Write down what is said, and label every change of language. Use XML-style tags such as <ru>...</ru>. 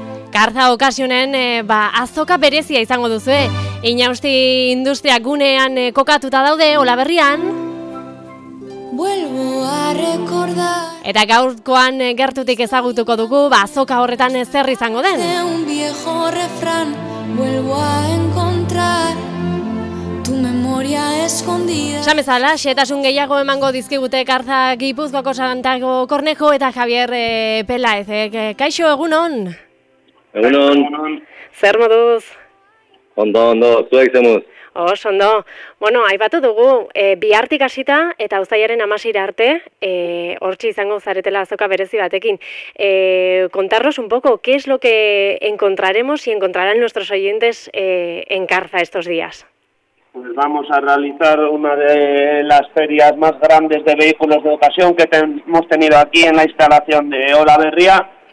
<eu>Karza okasionen azoka berezia izango duzu. Inausti industria gunean kokatuta daude Olaberrian.</eu> <es>Vuelvo a recordar.</es> <eu>Eta gaurkoan gertutik ezagutuko dugu azoka horretan zer izango den.</eu> <es>Un viejo refrán vuelvo a encontrar. Tu memoria escondida.</es> <eu>Samezala, xetasun gehiago emango dizkigute Karza Gipuzkoako Santiago Cornejo eta Javier Pelaez. Kaixo, egunon? Egunon. Zer moduz? Ondo, ondo, zuek zemuz. Os, ondo. Bueno, aipatu dugu, bihartik hasita eta uztailaren 16ra arte, hortxe izango zaretela azoka berezi batekin.</eu> <es>Contarnos un poco, ¿qué es lo que encontraremos y encontrarán nuestros oyentes en Karza estos días? Pues vamos a realizar una de las ferias más grandes de vehículos de ocasión que hemos tenido aquí en la instalación de Olaberria.</es>